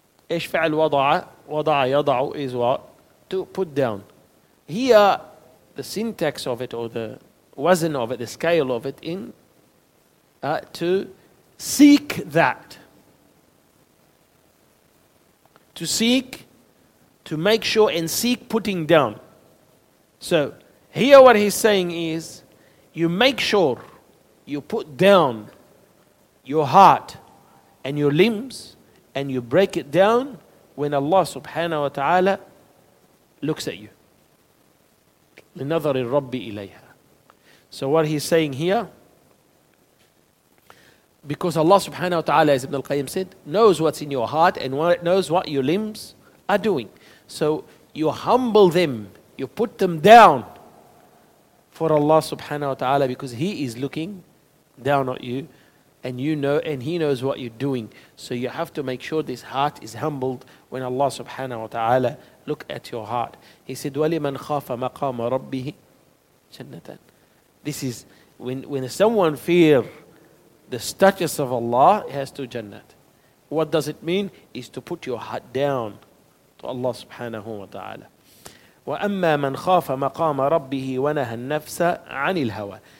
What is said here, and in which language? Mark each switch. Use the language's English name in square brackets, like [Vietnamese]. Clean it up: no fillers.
[Arabic] إيش فعل وضع؟ وضع يضع [English] is what? To put down. Here, the syntax of it or the wazn of it, the scale of it in to seek that. To seek, to make sure and seek putting down. So, here what he's saying is, you make sure you put down your heart and your limbs and you break it down when Allah subhanahu wa ta'ala looks at you. [Arabic] لِنَظَرِ الرَّبِّ إِلَيْهَا. [English] So what he's saying here, because Allah subhanahu wa ta'ala, as Ibn al-Qayyim said, knows what's in your heart and knows what your limbs are doing. So you humble them, you put them down for Allah subhanahu wa ta'ala because He is looking down at you. And you know, and He knows what you're doing. So you have to make sure this heart is humbled when Allah subhanahu wa ta'ala look at your heart. He said, [Arabic] وَلِمَنْ خَافَ مَقَامَ رَبِّهِ جَنَّةً. [English] This is, when someone fear the status of Allah, he has to jannat. What does it mean? Is to put your heart down to Allah subhanahu wa ta'ala. [Arabic] وَأَمَّا مَنْ خَافَ مَقَامَ رَبِّهِ وَنَهَى النَّفْسَ عَنِ الْهَوَى.